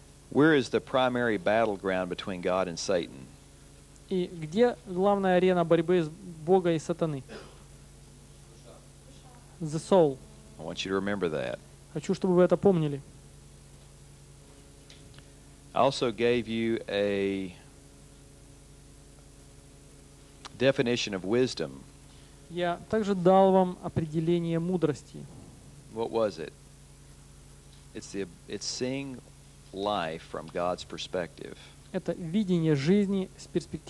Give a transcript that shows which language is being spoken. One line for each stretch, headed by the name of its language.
English: Where is the primary battleground between God and Satan?
Russian: И где главная арена борьбы с Бога и сатаны?
English: The soul. I want you to remember that.
Russian: Хочу, чтобы вы это помнили.
English: I also gave you a definition of wisdom.
Russian: Я также дал вам определение мудрости.
English: What was it? It's seeing life from God's perspective.
Russian: Это видение жизни с перспективы.